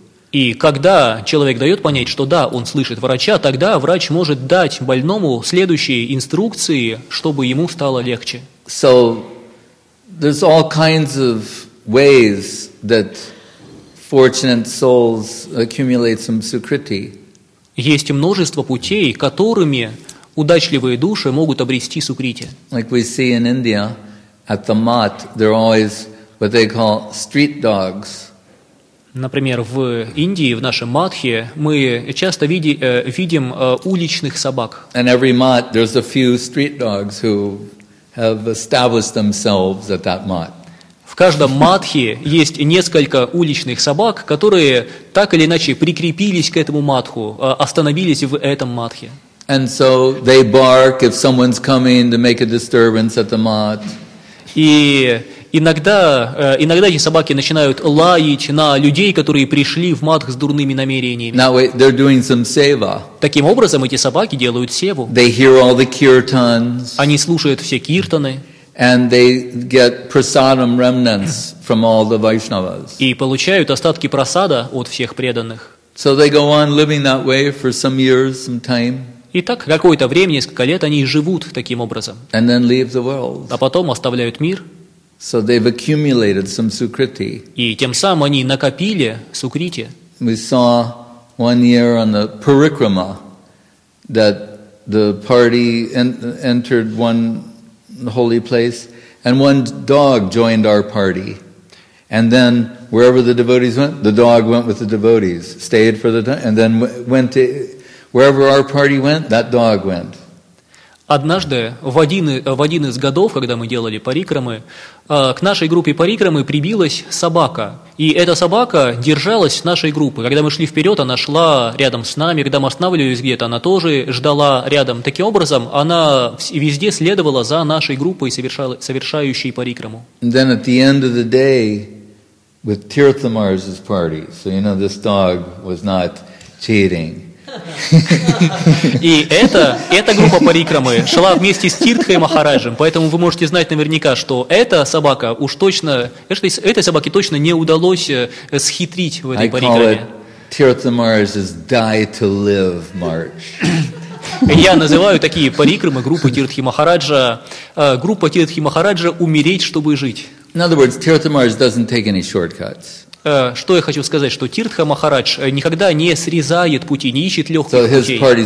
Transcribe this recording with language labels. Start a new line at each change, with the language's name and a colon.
Russian: И когда человек дает понять, что да, он слышит врача, тогда врач может дать больному следующие инструкции, чтобы ему стало легче.
English: So, there's all kinds of ways that fortunate souls accumulate some sukriti.
Russian: Есть множество путей, которыми удачливые души могут обрести сукрити.
English: Like we see in India, at the mat, there are always what they call street dogs.
Russian: Например, в Индии, в нашем Мадхе, мы часто видим уличных собак.
English: And every mat, there's a few street dogs who have established themselves at that mat.
Russian: В каждом Мадхе есть несколько уличных собак, которые так или иначе прикрепились к этому Мадху, остановились в этом Мадхе.
English: And so they bark if someone's coming to make a disturbance at the mat.
Russian: И иногда эти собаки начинают лаять на людей, которые пришли в матх с дурными намерениями.
English: Now they're doing some seva.
Russian: Таким образом, эти собаки делают севу.
English: They hear all the kirtans.
Russian: Они слушают все киртаны.
English: And they get prasadam remnants from all the Vaishnavas.
Russian: И получают остатки прасада от всех преданных.
English: So they go on living that way for some years, some time.
Russian: И так какое-то время, несколько лет, они живут таким образом.
English: And then leave the world.
Russian: А потом оставляют мир.
English: So they've accumulated some sukriti.
Russian: И тем самым они накопили сукрити.
English: We saw one year on the parikrama that the party entered one holy place and one dog joined our party. And then wherever the devotees went, the dog went with the devotees, stayed for the time, and then went to wherever our party went, that dog went.
Russian: Однажды, в один из годов, когда мы делали парикрамы, к нашей группе парикрамы прибилась собака. И эта собака держалась нашей группы. Когда мы шли вперед, она шла рядом с нами. Когда мы останавливались где-то, она тоже ждала рядом. Таким образом, она везде следовала за нашей группой, совершающей парикраму.
English: Then at the end of the day, with Tirthamar's party, so you know this dog was not cheating.
Russian: И эта группа парикрамы шла вместе с Тиртхой Махараджем, поэтому вы можете знать наверняка, что эта собака уж точно, этой собаке точно не удалось схитрить в этой парикраме.
English: I call it Tirthamar's die to live march.
Russian: Я называю такие парикрамы группы Тиртхи Махараджа группа Тиртхи Махараджа умереть, чтобы жить.
English: In other words, Tirthamar doesn't take any shortcuts.
Russian: Что я хочу сказать, что Тиртха Махарадж никогда не срезает пути, не ищет легких путей.